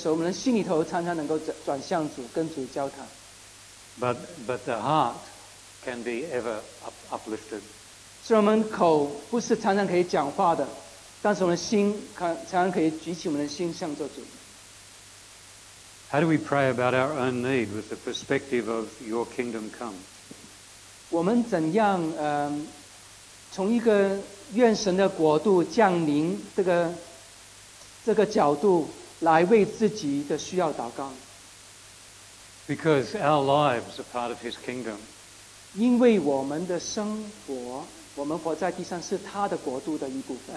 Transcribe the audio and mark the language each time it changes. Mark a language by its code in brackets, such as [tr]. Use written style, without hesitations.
[zh] 所以这是在我们学习工作的时候，我们的心里头常常能够转向主，跟主交谈。 [en] But the heart can be ever uplifted. [zh] 虽然我们口不是常常可以讲话的，但是我们心常常可以举起我们的心向着主。 [en] How do we pray about our own need with the perspective of your kingdom come? [zh] 我们怎样从一个愿神的国度降临这个角度来为自己的需要祷告？ [en] Because our lives are part of His kingdom. [zh] 因为我们的生活，我们活在地上是他的国度的一部分。